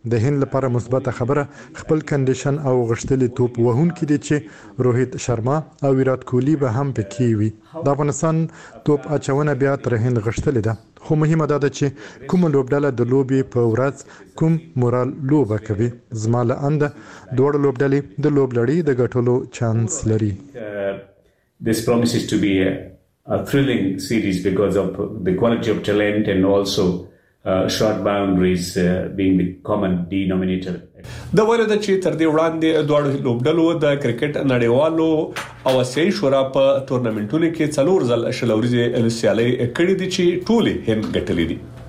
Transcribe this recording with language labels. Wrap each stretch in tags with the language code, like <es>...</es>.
<ps>د هند لپاره مثبته خبره خپل کنډیشن او غشتلي توپ وهونکي دي چې روهیت شرما او ویرات کوهلی به هم پکې وي. د افغانستان توپ اچونه بیا تر هند غشتلې ده، خو مهمه دا ده چې کوم لوبډله د لوبې په ورځ کوم مورال لوبه کوي. زما له انده دواړه لوبډلې د لوبلړۍ د ګټلو چانس لري.</ps> <en>This promises to be a thrilling series because of the quality of talent and also short boundaries being the common denominator.</en> <ps>د وړو د چیتر دی وړاندې دوه لوبډلو د کرکټ نړیوالو او اسیای شورا په تورنمنټونو کې څلور ځل شل اوریزه سیالۍ کړې دي چې ټولې هم ګټلې دي.</ps>